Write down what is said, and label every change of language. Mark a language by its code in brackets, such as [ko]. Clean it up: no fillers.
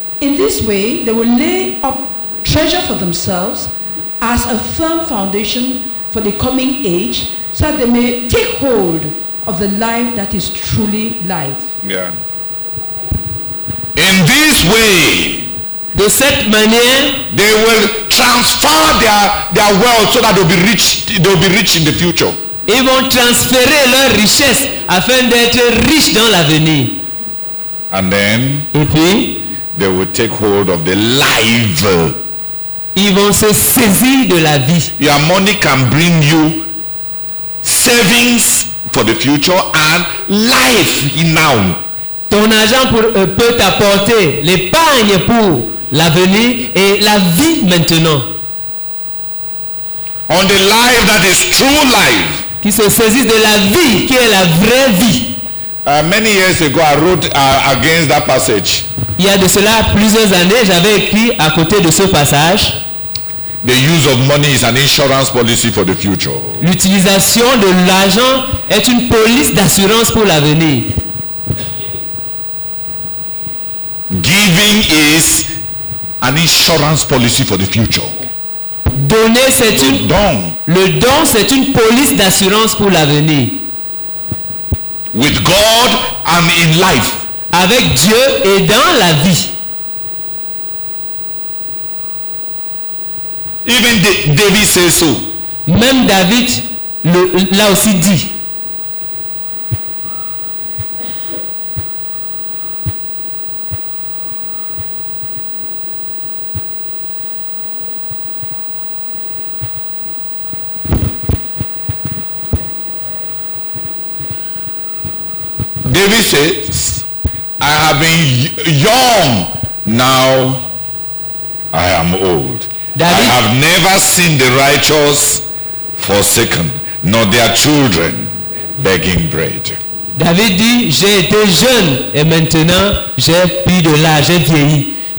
[en] In this way, they will lay up treasure for themselves as a firm foundation for the coming age, so that they may take hold of the life that is truly life. Yeah. In this way, [fr] de cette manière, [en] they will transfer their wealth so that they will be rich in the future. [fr] Ils vont transférer leur richesse afin d'être riches dans l'avenir. [en] And then, [fr] et puis, [en] they will take hold of the life. [fr] Ils vont se saisir de la vie. [en] Your money can bring you savings for the future and life in now. [fr] Ton argent peut t'apporter l'épargne pour l'avenir et la vie maintenant. [en] On the life that is true life. [fr] Qui se saisit de la vie, qui est la vraie vie. [en] Many years ago, I wrote against that passage. [fr] Il y a de cela plusieurs années, j'avais écrit à côté de ce passage. [en] The use of money is an insurance policy for the future. [fr] L'utilisation de l'argent est une police d'assurance pour l'avenir. [en] Giving is an insurance policy for the future. [fr] Donner, c'est une don. Le don, c'est une police d'assurance pour l'avenir. [en] With God and in life. [fr] Avec Dieu et dans la vie. [en] Even David says so. [fr] Même David l'a aussi dit. [en] David says, I have been young, now I am old. [fr] David, [en] I have never seen the righteous forsaken, nor their children begging bread. [fr] David dit, j'ai été jeune et maintenant j'ai pris de l'âge, j'ai vieilli.